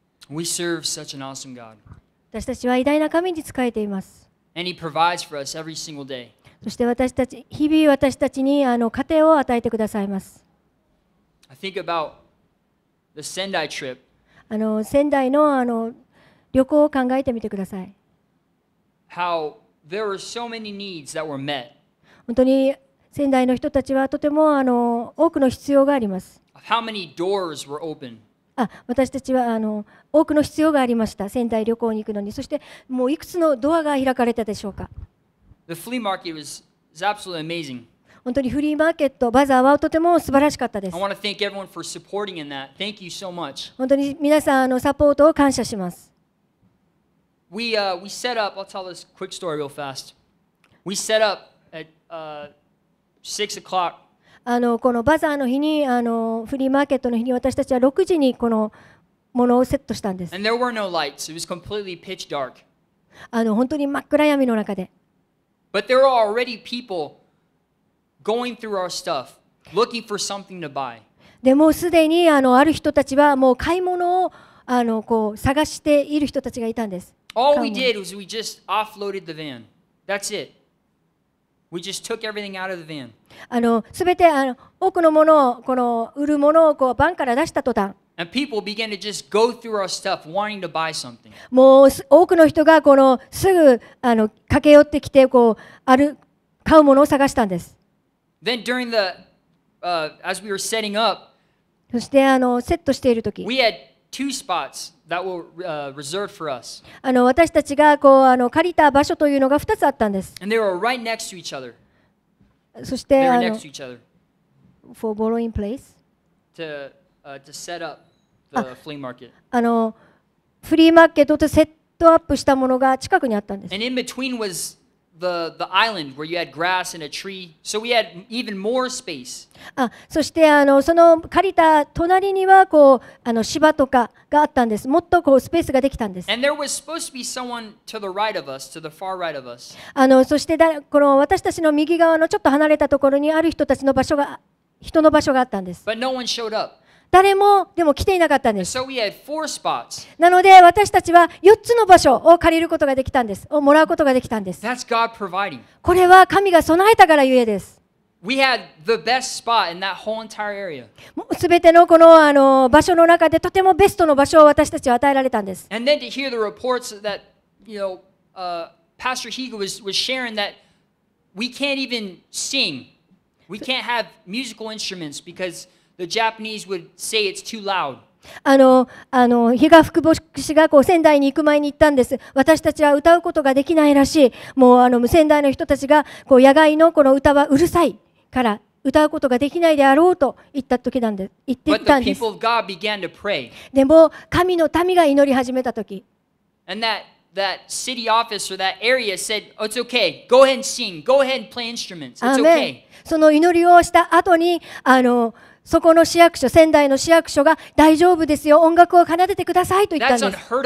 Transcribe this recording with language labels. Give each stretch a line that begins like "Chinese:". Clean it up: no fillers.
English: We serve such an awesome God.
Japanese: 私たちは偉大な神に仕えています。
English: And He provides for us every single day.
Japanese: そして私たち日々私たちに糧を与えてくださいます。
English: I think about the Sendai trip.
Japanese: 仙台の旅行を考えてみてください。
English: How there were so many needs that were met.
Japanese: 本当に仙台の人たちはとても多くの必要があります。
English: How many doors were open?
Japanese: 私たちは多くの必要がありました。仙台旅行に行くのに、そしてもういくつのドアが開かれたでしょうか。
English: The flea market was absolutely amazing.
Japanese: 本当にフリーマーケット、バザーはとても素晴らしかったです。
English: I want to thank everyone for supporting in that. Thank you so much.
Japanese: 本当に皆さんサポートを感謝します。
English: We set up, I'll tell this quick story real fast. We set up at 6 o'clock.
Japanese: このバザーの日にフリーマーケットの日に私たちは6時にこのものをセットしたんです。
English: And there were no lights. It was completely pitch dark.
Japanese: 本当に真っ暗闇の中で。
English: But there were already people going through our stuff, looking for something to buy.
Japanese: でもすでにある人たちはもう買い物をこう探している人たちがいたんです。
English: All we did was we just offloaded the van. That's it. We just took everything out of the van.
Japanese: あの、すべて、あの、多くのものを、この売るものをこうバンから出した途端。
English: And people began to just go through our stuff, wanting to buy something.
Japanese: もう多くの人がこのすぐあの駆け寄ってきてこうある買うものを探したんです。
English: Then during the, as we were setting up,
Japanese: そしてあのセットしているとき、
English: we had two spots that were reserved for us.
Japanese: あの私たちがこうあの借りた場所というのが2つあったんです。
English: And they were right next to each other.
Japanese: そして
English: they were next to each other. For borrowing place. To,to set up the flea market.
Japanese: あの、フリーマーケットとセットアップしたものが近くにあったんです。
English: And in between was the island where you had grass and a tree, so we had even more space.
Japanese: あ、そしてあのその借りた隣にはこうあの芝とかがあったんです。もっとこうスペースができたんです。
English: And there was supposed to be someone to the right of us, to the far right of us.
Japanese: あの、そしてこの私たちの右側のちょっと離れたところにある人たちの場所が人の場所があったんです。
English: But no one showed up.
Japanese: 誰もでも来ていなかったんです。
English: So、we had four spots.
Japanese: なので私たちは4つの場所を借りることができたんです。をもらうことができたんです。
English: That's God providing.
Japanese: これは神が備えたからゆえです。
English: We had the best spot in that whole entire area.
Japanese: もう全てのこの、あの、場所の中でとてもベストの場所を私たちは与えられたんです。
English: And then to hear the reports that, you know, Pastor Higa was sharing that we can't even sing. We can't have musical instruments because... The Japanese would say it's too loud.
Japanese: あの比嘉副牧師がこう仙台に行く前に言ったんです。私たちは歌うことができないらしい。もうあの仙台の人たちがこう野外のこの歌はうるさいから歌うことができないであろうと言った時なんです。言ってたんです。
English: But the people of God began to pray.
Japanese: でも神の民が祈り始めた時。
English: And that city office or that area said,、oh, "It's okay. Go ahead and sing. Go ahead and play instruments. It's okay."
Japanese: その祈りをした後にあの。そこの市役所、仙台の市役所が大丈夫ですよ、音楽を奏でてくださいと言ったんです。